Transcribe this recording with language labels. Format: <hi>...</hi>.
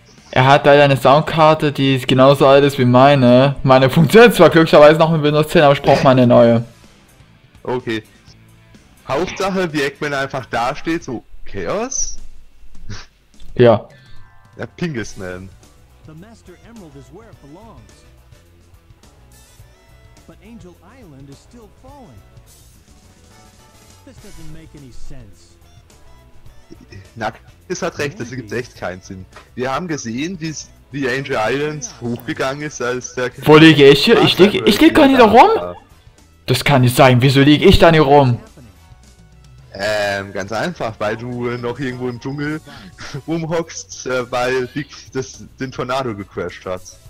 <de>Er hat leider eine Soundkarte, die ist genauso alt ist wie meine. Meine funktioniert zwar glücklicherweise noch mit Windows 10, aber ich brauche mal eine neue. Okay. Hauptsache, wie Eggman einfach da steht, so Chaos? Ja. Der Pingisman.</de> <en>The Master Emerald is where it belongs. But Angel Island is still falling. This doesn't make any sense.</en> <de>Na, es hat recht, das ergibt echt keinen Sinn. Wir haben gesehen, wie Angel Island hochgegangen ist, als der... Wo liege ich hier? Ich lieg gar nicht da rum? Das kann nicht sein, wieso liege ich da nicht rum? Ganz einfach, weil du noch irgendwo im Dschungel rumhockst, weil Big den Tornado gecrashed hat.</de>